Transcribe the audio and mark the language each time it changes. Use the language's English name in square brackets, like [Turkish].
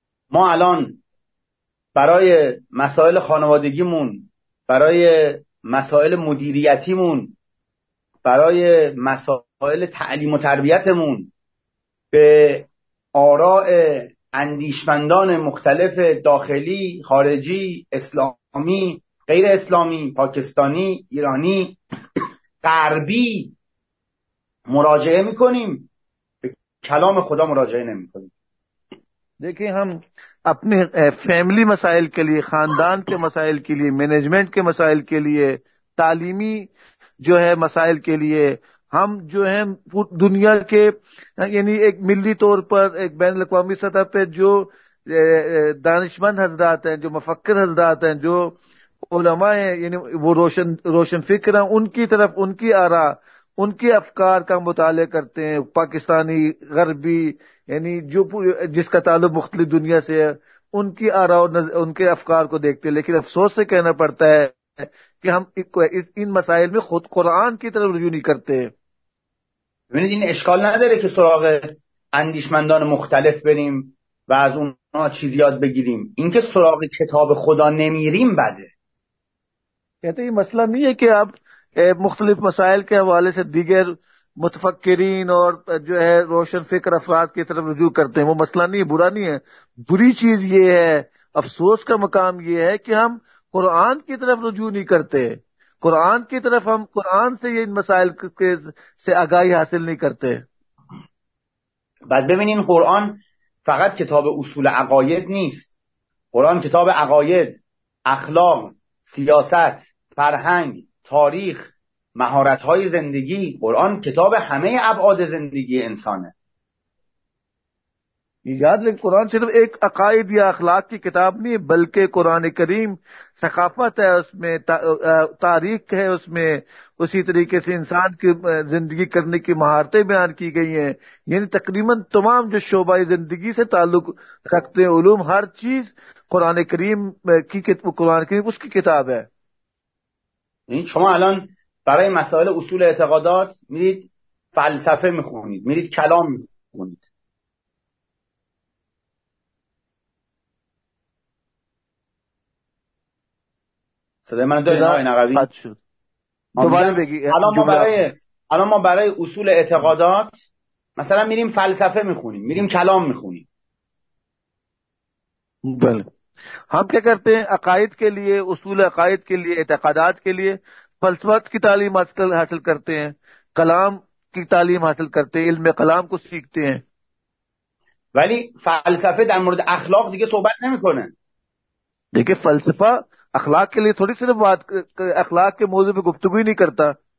[Persian] ما الان برای مسائل خانوادگیمون، برای مسائل مدیریتیمون، برای مسائل تعلیم و تربیتمون به آراء اندیشمندان مختلف داخلی، خارجی، اسلامی، غیر اسلامی، پاکستانی، ایرانی، غربی مراجعه میکنیم، به کلام خدا مراجعه نمیکنیم. [Urdu] دیکھیں ہم اپنے فیملی مسائل کے لیے، خاندان کے مسائل کے لیے، مینجمنٹ کے مسائل کے لیے، تعلیمی جو ہے مسائل کے لیے، ہم جو ہیں دنیا کے یعنی ایک ملی طور پر، ایک بین الاقوامی سطح پہ جو دانشمند حضرات ہیں، جو مفکر حضرات ہیں، جو علماء ہیں، یعنی وہ روشن فکر ہیں، ان کی طرف، ان کی آراء، ان کے افکار کا مطالعہ کرتے ہیں، پاکستانی، غربی، یعنی جو جس کا تعلق مختلف دنیا سے ہے، ان کی آراء اور ان کے افکار کو دیکھتے ہیں. لیکن افسوس سے کہنا پڑتا ہے کہ ہم ان مسائل میں خود قرآن کی طرف رجوع نہیں کرتے. [Persian] ببینید، این اشکال نداره که سراغ اندیشمندان مختلف بریم و از اونها چیزی یاد بگیریم. اینکه سراغ کتاب خدا نمیریم بده. [Urdu] کہتے ہیں مسئلہ نہیں ہے کہ آپ مختلف مسائل کے حوالے سے دیگر متفکرین اور جو ہے روشن فکر افراد کی طرف رجوع کرتے ہیں، وہ مسئلہ نہیں ہے، برا نہیں ہے. بری چیز یہ ہے، افسوس کا مقام یہ ہے کہ ہم قرآن کی طرف رجوع نہیں کرتے، قرآن کی طرف ہم قرآن سے یہ ان مسائل سے آگاہی حاصل نہیں کرتے. [Persian] بعد ببینین، قرآن فقط کتاب اصول عقاید نیست. قرآن کتاب عقاید، اخلاق، سیاست، فرهنگ، تاریخ، مهارت‌های زندگی، قرآن کتاب همه ابعاد زندگی انسانه. [Urdu] یاد رکھ قرآن صرف ایک عقائد یا اخلاق کی کتاب نہیں، بلکہ قرآن کریم ثقافت ہے، اس میں تاریخ ہے، اس میں اسی طریقے سے انسان کی زندگی کرنے کی مہارتیں بیان کی گئی ہیں، یعنی تقریباً تمام جو شعبۂ زندگی سے تعلق رکھتے ہیں علوم، ہر چیز قرآن کریم اس کی کتاب ہے. [Persian] شما الان برای مسائل اصول اعتقادات میرید و فلسفه میخونید، میرید کلام میخونید. صدای من داری نهای نقوی؟ الان ما برای اصول اعتقادات مثلا میریم فلسفه میخونیم، میریم کلام میخونیم. [Urdu] بله، هم که کرتے ہیں عقائد کے لیے، اصول عقائد کے لیے، اعتقادات کے لیے فلسفت کی تعلیم حاصل کرتے ہیں، کلام کی تعلیم حاصل کرتے ہیں، علم کلام کو سیکھتے ہیں. [Persian] ولی فلسفه در مورد اخلاق دیگه صحبت نمیکنه. [Urdu] دیکھیں فلسفہ اخلاق کے لیے تھوڑی صرف بات، اخلاق کے موضوع پہ گفتگو ہی نہیں کرتا.